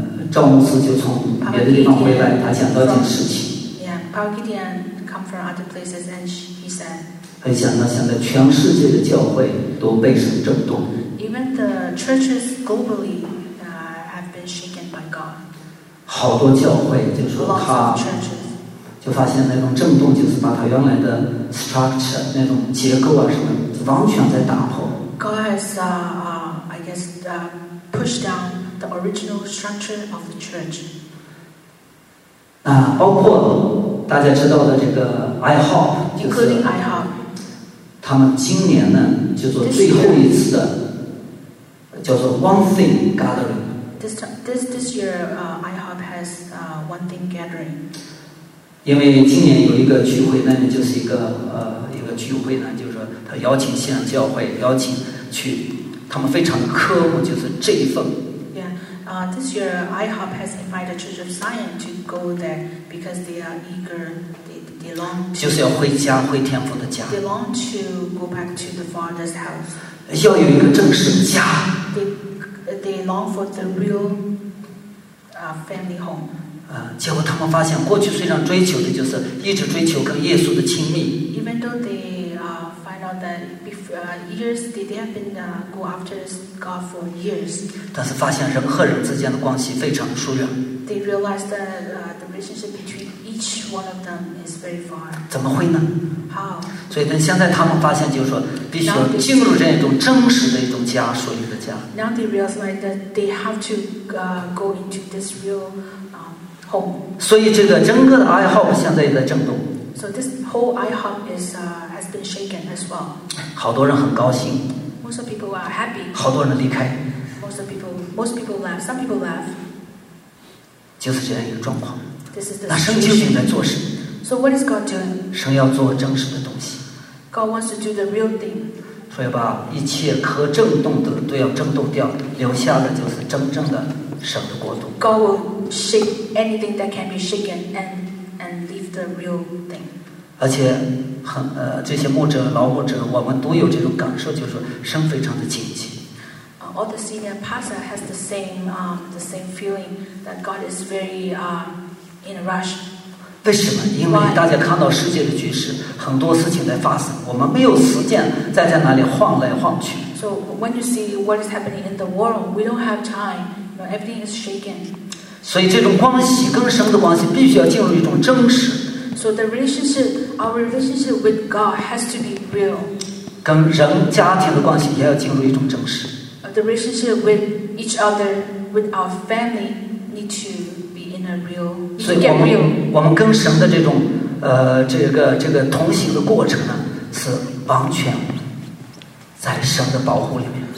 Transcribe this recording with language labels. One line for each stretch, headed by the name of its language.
Chinese: 赵牧师就从别的地方回来，他讲到一件事情。
English: Yeah, Paul Gideon come from other places and he said，
Chinese: 他讲到现在全世界的教会都被神震动。
English: Even the churches globally, have been shaken by God.
Chinese: 好多教会就说他。就发现那种震动就是把它原来的 structure 那种结构啊什么完全在打破。
English: God has, I guess, pushed down the original structure of the church.
Chinese: 包括大家知道的这个 IHOP，
English: including IHOP，
Chinese: 他们今年呢就做最后一次的叫做 One Thing Gathering。
English: This year, IHOP has One Thing Gathering。
Chinese: 因为今年有一个聚会，那就是一个聚会呢，就是说他邀请新教会邀请去，他们非常渴慕就是这一份。
English: Yeah, this year IHOP has invited Church of Zion to go there because they are eager. They long to,
Chinese: 就是要回家，回天父的家。
English: They long to go back to the Father's house.
Chinese: 要有一个正式的家。
English: They long for the real, family home.
Chinese: 结果他们发现，过去虽然追求的就是一直追求跟耶稣的亲密。
English: Even though they find out that before, years they have been go after God for years，
Chinese: 但是发现人和人之间的关系非常疏远。
English: They realize that the relationship between each one of them is very far。
Chinese: 怎么会呢
English: ？How？
Chinese: 所以呢，现在他们发现，就是说，必须要进入这样一种真实的一种家，属于的家。
English: Now they realize that they have to go into this real。 Home.
Chinese: 所以这个整个的 IHOP 现在也在震动。
English: So this whole IHOP is has been shaken as well.
Chinese: 好多人很高兴。
English: Most of people are happy.
Chinese: 好多人离开。
English: Most people left. Some people left.
Chinese: 就是这样一个状况。
English: This is the
Chinese: 那神究竟在做什么
English: ？So what is God doing?
Chinese: 神要做真实的东西。
English: God wants to do the real thing.
Chinese: 所以把一切可震动的都要震动掉，留下的就是真正的神的国度。
English: God will shake anything that can be shaken and leave the real thing.
Chinese: 而且很这些牧者、老牧者，我们都有这种感受，就是神非常的紧急。
English: All the senior pastor has the same feeling that God is very in Russia.
Chinese: 为什么？因为大家看到世界的局势，很多事情在发生，我们没有时间再在那里晃来晃去。
English: So when you see what is happening in the world, we don't have time. You know, everything is shaken.
Chinese: 所以这种关系，更深的关系，必须要进入一种真实。
English: So the relationship, our relationship with God has to be real.
Chinese: 跟人家庭的关系也要进入一种真实。
English: The relationship with each other, with our family, need to be in a real, to get real.
Chinese: 所以我们跟神的这种这个同行的过程呢，是完全在神的保护里面。